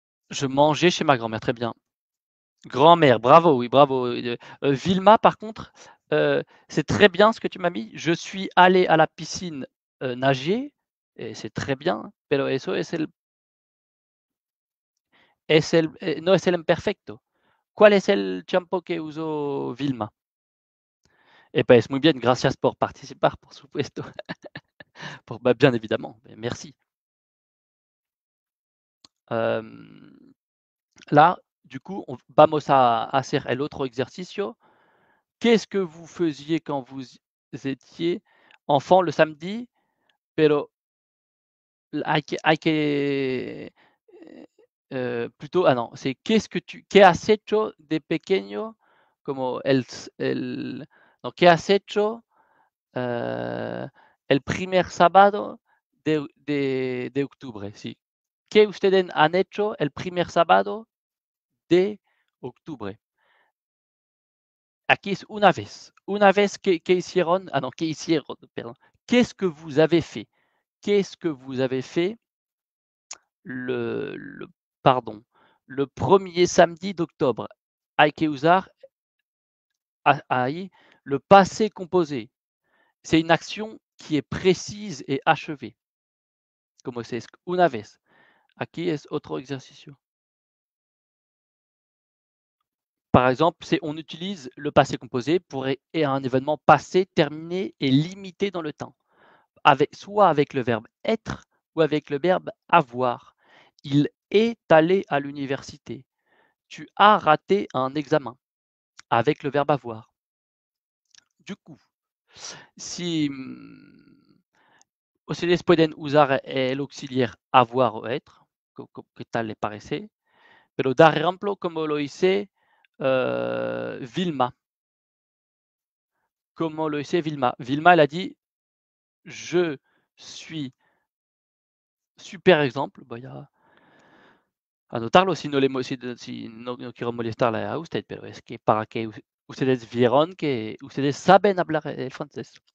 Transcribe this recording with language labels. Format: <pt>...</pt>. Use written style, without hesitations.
<fr>Je mangeais chez ma grand-mère, très bien. Grand-mère, bravo, oui, bravo. Vilma, par contre, c'est très bien ce que tu m'as mis. Je suis allé à la piscine nager, et c'est très bien.</fr> <es>Pero eso es el, no es el imperfecto. ¿Cuál es el tiempo que usó Vilma?</es> <fr>Eh bien,</fr> <es>es muy bien, gracias por participar, por supuesto.</es> <fr>Pour, bah, bien évidemment, mais merci. Là, du coup, on</fr> <es>vamos a hacer el otro ejercicio.</es> <fr>Qu'est-ce que vous faisiez quand vous étiez enfant le samedi?</fr> <es>Pero hay que plutôt,</es> <fr>ah non, c'est qu'est-ce que tu,</fr> <es>qué has hecho de pequeño, como el no, qué has hecho el primer sábado de octubre, sí. ¿Qué ustedes han hecho el primer sábado de octubre? Aquí es una vez. Una vez que hicieron. Ah no, que hicieron, perdón.</es> <fr>¿Qu'est-ce que vous avez fait? ¿Qu'est-ce que vous avez fait le premier samedi d'octobre?</fr> <es>Hay que usar ahí</es> <fr>le passé composé. C'est une action qui est précise et achevée.</fr> <es>Como se dice, una vez. Aquí es otro ejercicio.</es> <fr>Par exemple, c'est on utilise le passé composé pour un événement passé, terminé et limité dans le temps. Soit avec le verbe être ou avec le verbe avoir. Il est allé à l'université. Tu as raté un examen. Avec le verbe avoir. Du coup,</fr> <es>si ustedes pueden usar el auxiliar avoir o être, ¿qué tal les parece? Pero dar ejemplo como lo hice Vilma. Como lo hice Vilma.</es> <fr>Vilma, elle a dit, je suis super exemple.</fr> <es>Voy a notarlo, si no quiero molestarla a usted, pero es que para que ustedes vieron que ustedes saben hablar el francés.</es>